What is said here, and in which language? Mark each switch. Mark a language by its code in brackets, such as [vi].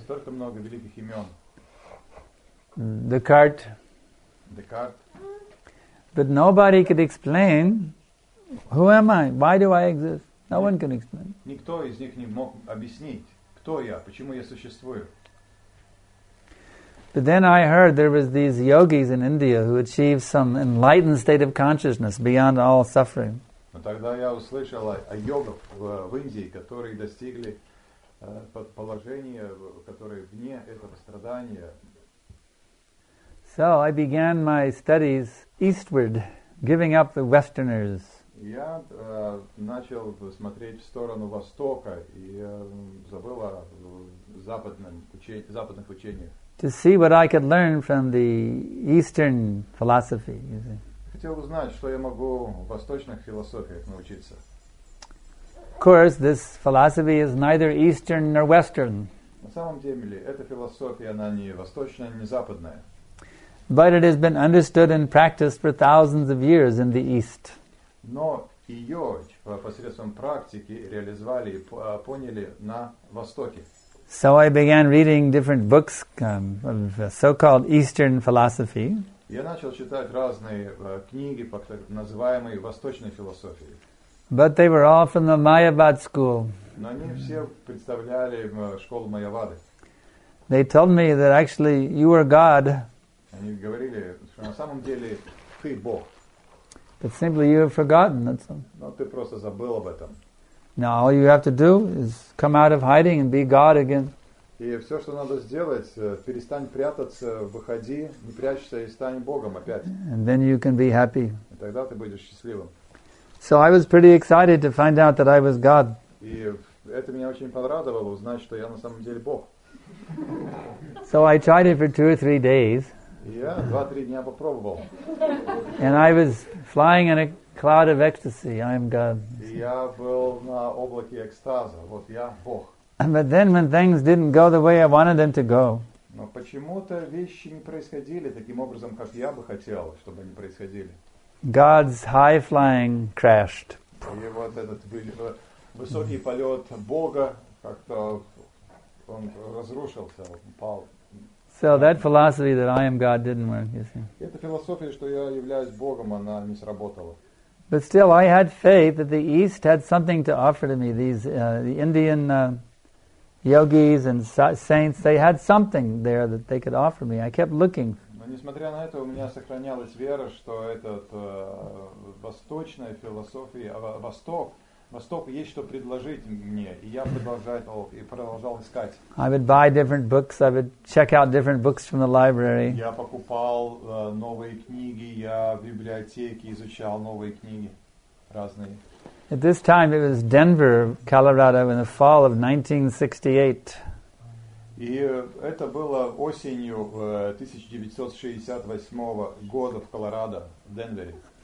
[ru] Столько много великих имен. [en] Descartes. But nobody could explain, who am I? Why do I exist? No one can explain. [ru] Никто из них не мог объяснить, кто я, почему я существую. [en] But then I heard there was these yogis in India who achieved some enlightened state of consciousness beyond all suffering. [ru] Тогда я услышал о йогах в Индии, которые достигли положения, которые вне этого страдания. [en] So I began my studies eastward, giving up the westerners. [ru] Я начал смотреть в сторону востока и забыл о западных учениях. [en] To see what I could learn from the eastern philosophy, you see. [ru] Хотел узнать, что я могу в восточных философиях научиться. [en] Of course, this philosophy is neither Eastern nor Western. [ru] На самом деле, эта философия, она не восточная, не западная. [en] But it has been understood and practiced for thousands of years in the East. [ru] Но ее посредством практики реализовали и поняли на Востоке. [en] So I began reading different books of so-called Eastern philosophy. [ru] Я начал читать разные книги по так называемой восточной философии. [en] But they were all from the Mayavad school. [ru] Но они все представляли школу Майявады. [en] They told me that actually you are God. [ru] Они говорили, что на самом деле ты Бог. [en] But simply you have forgotten, that's all. [ru] Но ты просто забыл об этом. [en] Now all you have to do is come out of hiding and be God again. [ru] И все, что надо сделать, перестань прятаться, выходи, не прячься и стань Богом опять. [en] And then you can be happy. [ru] И тогда ты будешь счастливым. [en] So I was pretty excited to find out that I was God. [ru] И это меня очень порадовало, узнать, что я на самом деле Бог. [en] So I tried it for 2 or 3 days. [ru] Я 2-3 дня попробовал. [en] And I was flying in a cloud of ecstasy. I am God. [ru] И я был на облаке экстаза. Вот я Бог. [en] But then when things didn't go the way I wanted them to go. [ru] Но почему-то вещи не происходили таким образом, как я бы хотел, чтобы они происходили. [en] God's high flying crashed. [ru] И вот этот высокий полет Бога как-то он разрушился, упал. [en] So that philosophy that I am God didn't work, you see. [ru] Эта философия, что я являюсь Богом, она не сработала. [en] But still I had faith that the East had something to offer to me, these the Indian yogis and saints, they had something there that they could offer me. I kept looking. [ru] Но несмотря на это, у меня сохранялась вера, что этот восточная философия, Восток есть что предложить мне, и я продолжал искать. [en] I would buy different books, I would check out different books from the library. [ru] Я покупал новые книги, я в библиотеке изучал новые книги разные. [en] At this time, it was Denver, Colorado, in the fall of 1968. [ru] И это было осенью 1968 года в Колорадо, в Денвере.